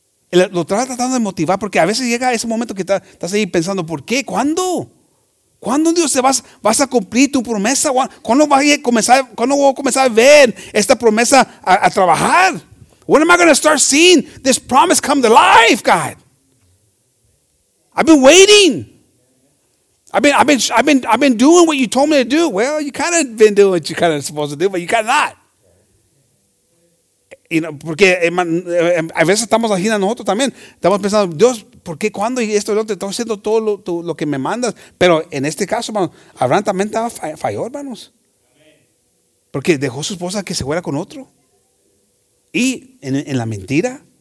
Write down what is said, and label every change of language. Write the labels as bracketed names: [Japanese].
[Spanish] Lo estaba tratando de motivar porque a veces llega ese momento que estás ahí pensando, ¿por qué? ¿Cuándo? ¿Cuándo, Dios, vas a cumplir tu promesa? ¿Cuándo voy a comenzar a ver esta promesa a trabajar? [English] When am I going to start seeing this promise come to life, God? I've been waiting. I've been doing what you told me to do. Well, you kind of been doing what you kind of supposed to do, but you kind of not. [Spanish] Y no, porque a veces estamos agiendo nosotros también. Estamos pensando, Dios, ¿por qué, cuándo? Y esto y lo otro, estoy haciendo todo lo que me mandas. Pero en este caso, hermanos, Abraham también estaba falló, hermanos. Porque dejó a su esposa que se fuera con otro. Y en la mentira.